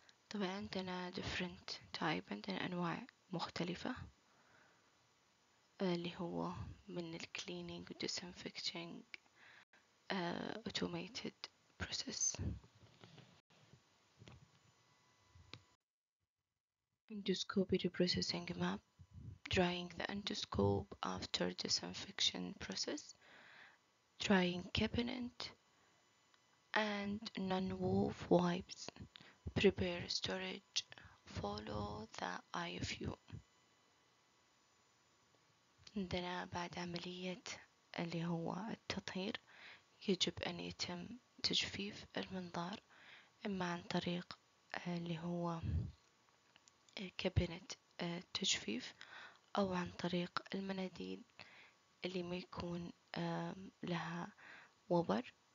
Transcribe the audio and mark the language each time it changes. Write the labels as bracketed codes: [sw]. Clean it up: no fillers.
[ar] طبعا عندنا [en] different type، [ar] عندنا انواع مختلفة اللي هو من [en] الكلينينج والديسنفكتينج automated process. Endoscopy reprocessing map, drying the endoscope after disinfection process, drying cabinet and non-wove wipes, prepare storage, follow the IFU. [ar] عندنا بعد عملية اللي هو التطهير يجب أن يتم تجفيف المنظار إما عن طريق اللي هو كابينت التجفيف أو عن طريق المناديل اللي ما يكون لها وبر.